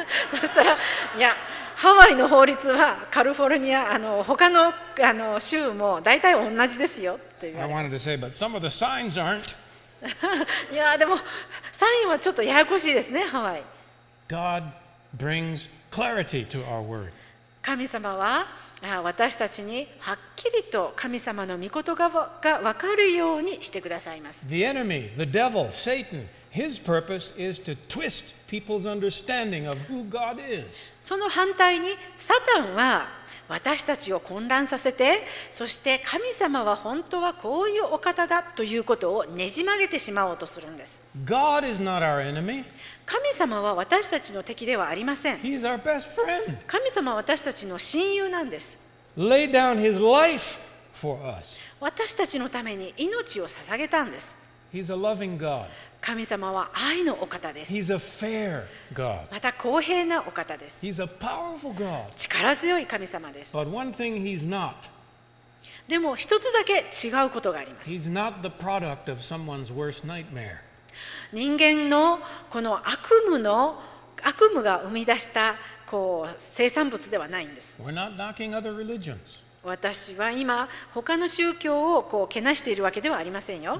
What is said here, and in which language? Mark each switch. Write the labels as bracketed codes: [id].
[ja] そしたら、いや、ハワイの法律はカリフォルニア、他の、州も大体同じですよって言われます。 [en] I wanted to say, but some of the signs aren't. [ja] いや、でも、サインはちょっとややこしいですね、ハワイ。 [en] God brings clarity to our word. [ja] 神様は、私たちにはっきりと神様の御言葉が分かるようにしてくださいます。 [en] The enemy, the devil, Satan, his purpose is to twist people's understanding of who God is. [ja] その反対にサタンは私たちを混乱させて、そして神様は本当はこういうお方だということをねじ曲げてしまおうとするんです。 [en] God is not our enemy. [ja] 神様は私たちの敵ではありません。 [en] He is our best friend. [ja] 神様は私たちの親友なんです。 [en] Lay down his life for us. [ja] 私たちのために命を捧げたんです。 [en] He is a loving God. [ja] 神様は愛のお方です。 [en] He is a fair God. [ja] また公平なお方です。 [en] He is a powerful God. [ja] 力強い神様です。 [en] But one thing he's not. [ja] でも一つだけ違うことがあります。 [en] He's not the product of someone's worst nightmare. [ja] 人間のこの悪夢が生み出したこう生産物ではないんです。 [en] We're not knocking other religions. [ja] 私は今他の宗教をこうけなしているわけではありませんよ。